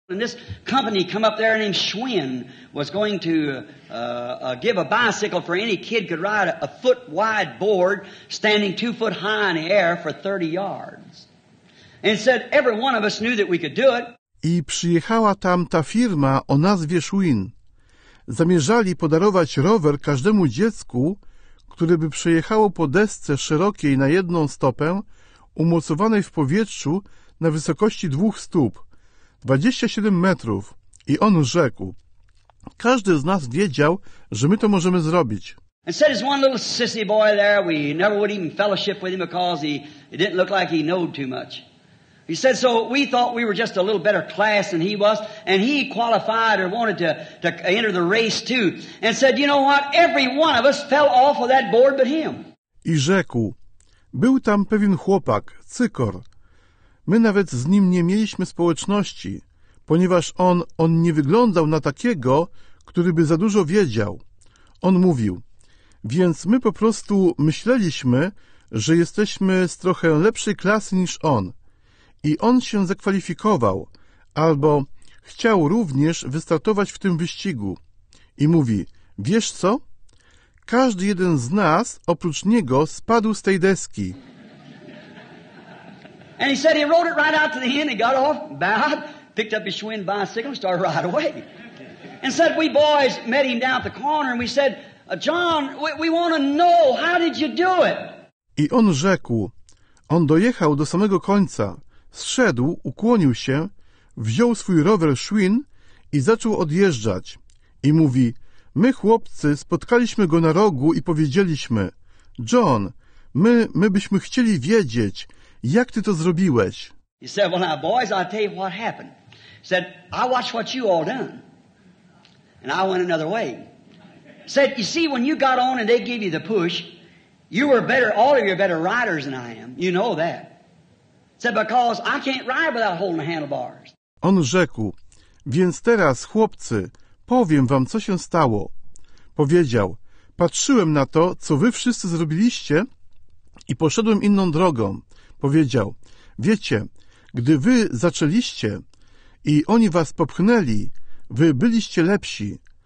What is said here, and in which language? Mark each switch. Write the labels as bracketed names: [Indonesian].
[English] And this company come up there named Schwinn was going to give a bicycle for any kid could ride a foot wide board standing 2 foot high in the air for 30 yards. And said every one of us knew that we could do it. [Polish] I przyjechała tam ta firma o nazwie Schwinn. Zamierzali podarować rower każdemu dziecku, które by przejechało po desce szerokiej na jedną stopę, umocowanej w powietrzu na wysokości 2 stóp, 27 metrów. I on rzekł, każdy z nas wiedział, że my to możemy zrobić. [English] And said his one little sissy boy there, we never would even fellowship with him because he didn't look like he knowed too much. He said, so we thought we were just a little better class than he was, and he qualified or wanted to enter the race too. And said, you know what, every one of us fell off of that board but him. [Polish] I rzekł, był tam pewien chłopak, cykor. My nawet z nim nie mieliśmy społeczności, ponieważ on nie wyglądał na takiego, który by za dużo wiedział. On mówił, więc my po prostu myśleliśmy, że jesteśmy z trochę lepszej klasy niż on. I on się zakwalifikował, albo chciał również wystartować w tym wyścigu. I mówi, wiesz co? Każdy jeden z nas, oprócz niego, spadł z tej deski. [English] And he said he rode it right out to the end, he got off, bowed, picked up his Schwinn bicycle and started right away. And said, we boys met him down at the corner and we said, John, we want to know, how did you do it? [Polish] I on rzekł, on dojechał do samego końca, zszedł, ukłonił się, wziął swój rower Schwinn i zaczął odjeżdżać. I mówi, my chłopcy spotkaliśmy go na rogu i powiedzieliśmy, John, my byśmy chcieli wiedzieć, jak ty to zrobiłeś. [English] He said, well now boys, I'll tell you what happened. He said, I watched what you all done. And I went another way. He said, you see, when you got on and they gave you the push, you were better, all of you are better riders than I am. You know that. Said, because I can't ride without holding the handlebars. [Polish] On rzekł, więc teraz chłopcy, powiem wam, co się stało. Powiedział, patrzyłem na to, co wy wszyscy zrobiliście i poszedłem inną drogą. Powiedział, wiecie, gdy wy zaczęliście i oni was popchnęli, wy byliście lepsi.